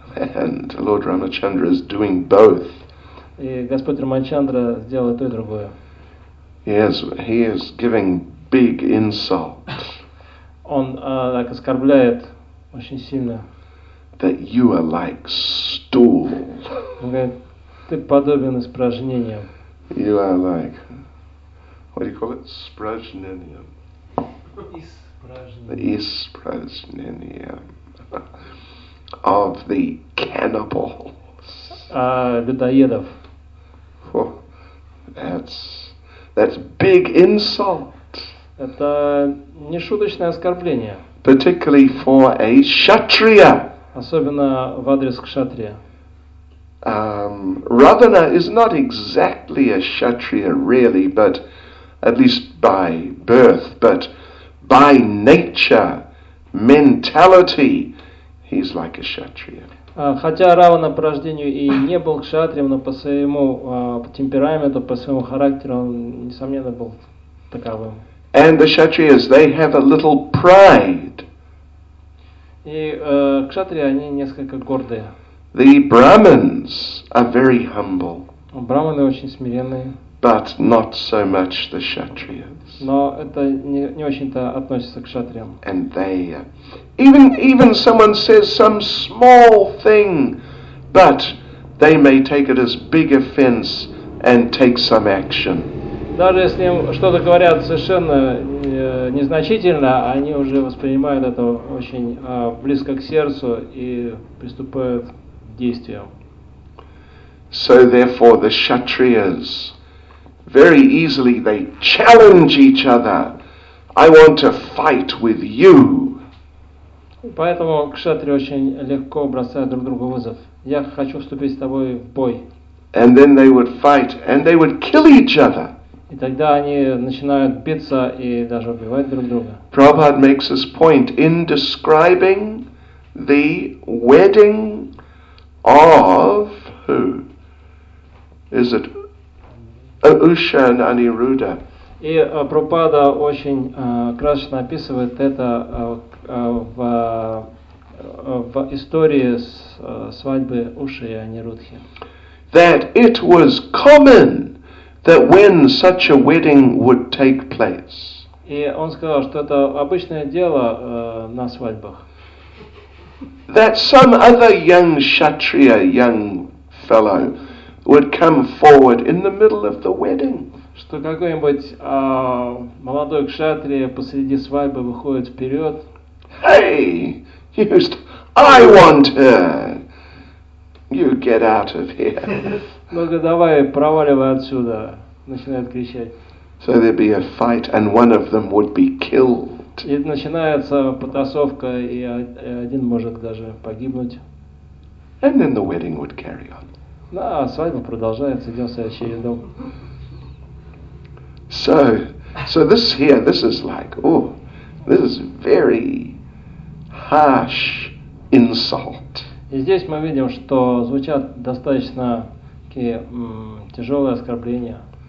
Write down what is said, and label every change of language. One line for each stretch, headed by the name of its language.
English: And Lord Ramachandra is doing both.
Russian: И Господь Рамачандра сделал то и другое.
English: Yes, he is giving big insult.
Russian: Он так оскорбляет очень сильно.
English: That you are like stool.
Russian: Он говорит, ты подобен испражнениям.
English: You are like, what do you call it, испражнениям? The ispražnenia of the cannibals.
Russian: Людоедов.
English: Oh, that's big insult.
Russian: Это не шуточное оскорбление.
English: Particularly for a kshatriya.
Russian: Особенно в адрес кшатрия.
English: Ravana is not exactly a kshatriya, really, but at least by birth, but by nature, mentality, he's like a kshatriya.
Russian: Хотя Равана по рождению и не был кшатрием, но по своему темпераменту, по своему характеру, он несомненно был таковым.
English: And the kshatriyas, they have a little pride.
Russian: И кшатрии, они несколько гордые.
English: The brahmins are very humble.
Russian: Брахманы очень смиренные.
English: But not so much the kshatriyas.
Russian: Но это не очень-то относится к кшатриям.
English: And they, even someone says some small thing, but they may take it as big offense and take some action.
Russian: Даже если им что-то говорят совершенно незначительно, они уже воспринимают это очень близко к сердцу и приступают к действиям.
English: So therefore, the kshatriyas, very easily they challenge each other. I want to fight with you.
Russian: Поэтому кшатри очень легко бросают друг другу вызов. Я хочу вступить с тобой в бой.
English: And then they would fight and they would kill each other.
Russian: И тогда они начинают биться и даже убивать друг друга.
English: Prabhupada makes his point in describing the wedding of who? Is it Usha and Aniruddha?
Russian: И Прабхупада очень красочно описывает это в истории свадьбы Уши и Анирудхи.
English: That it was common that when such a wedding would take place.
Russian: И он сказал, что это обычное дело на свадьбах.
English: That some other young kshatriya, young fellow, would come forward in the middle of the wedding.
Russian: Что какой-нибудь молодой кшатрия посреди свадьбы выходит вперед.
English: Hey, I want her. You get out of here.
Russian: Ну-ка, давай, проваливай отсюда. Начинает кричать.
English: So there'd be a fight, and one of them would be killed.
Russian: И начинается потасовка, и один может даже погибнуть.
English: And then the wedding would carry on.
Russian: Ну, а свадьба продолжается, идет следующий рядом.
English: So this here, this is like, this is very harsh insult.
Russian: И здесь мы видим, что звучат достаточно такие тяжелые оскорбления.